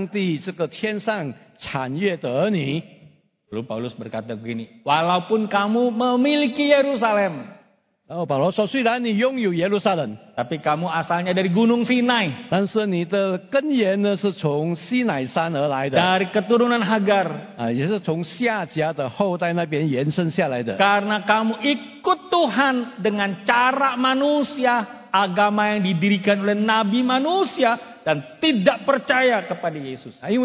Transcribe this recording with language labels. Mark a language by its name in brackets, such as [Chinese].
[Chinese] 那你现在是继承的上帝这个天上产业的儿女。 [Indonesian] Lalu Paulus berkata begini, walaupun kamu memiliki Yerusalem. [Chinese] Oh, Paulus, so, 虽然你拥有 Yerusalem, [Indonesian] tapi kamu asalnya dari Gunung Sinai. [Chinese] 但是你的根源呢是从西乃山而来的。 [Indonesian] Dari keturunan Hagar. [Chinese] 也是从夏甲的后代那边延伸下来的。 [Indonesian] Karena kamu ikut Tuhan dengan cara manusia, agama yang didirikan oleh nabi manusia, dan tidak percaya kepada Yesus.